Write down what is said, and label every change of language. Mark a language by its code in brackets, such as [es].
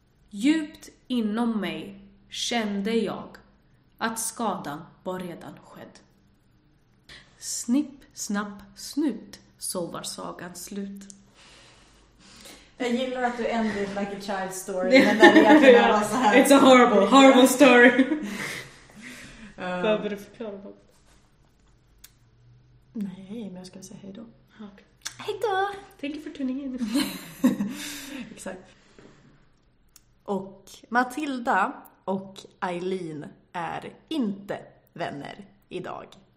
[sv] Djupt inom mig kände jag att skadan var redan skedd. Snipp, snapp, snut, så var sagan slut. Jag gillar att du [en] ended like a child story, [sv] men det är egentligen så här. [en] It's a horrible, horrible story. [sv] Behöver du förklara något? Nej, men jag ska säga hej då. Okay. Hej då! [en] Thank you for tuning in. [sv] Exakt. Och Matilda och Eileen är inte vänner idag.